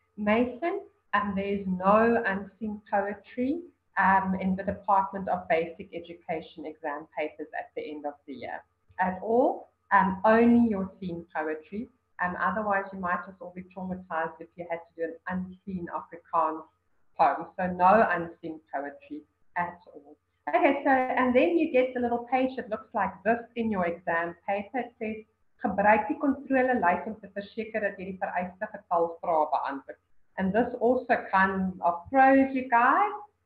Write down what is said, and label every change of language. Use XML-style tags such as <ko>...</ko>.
<en>Mason, there's no unseen poetry in the Department of Basic Education exam papers at the end of the year at all, only your seen poetry. Otherwise, you might just all be traumatized if you had to do an unseen Afrikaans poem. So no unseen poetry at all. Okay, so, and then you get the little page that looks like this in your exam paper. It says,</en> <af>gebruik die kontrole lys om te verseker dat jy die vereiste getal vrae beantwoord.</af> <en>And this also kind of throws you guys.</en>